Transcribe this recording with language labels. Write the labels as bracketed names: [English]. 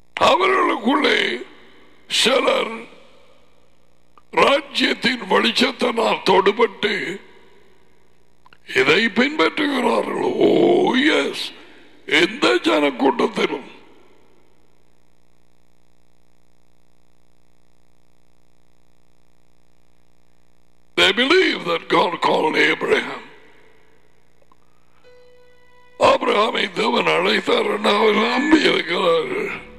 [Tamil] அவர்களுக்குள்ளே சிலர் ராஜ்யத்தின் வெளிச்சத்தினால் தொடுபட்டு இதை பின்பற்றுகிறார்கள். [English] oh yes, [Tamil] எந்த ஜனக்கூட்டத்திலும் [English] they believe that God called Abraham. [Tamil] ஆபிரகாமை தேவன் அழைத்தார் என்று நம்பி இருக்கிறார்கள்.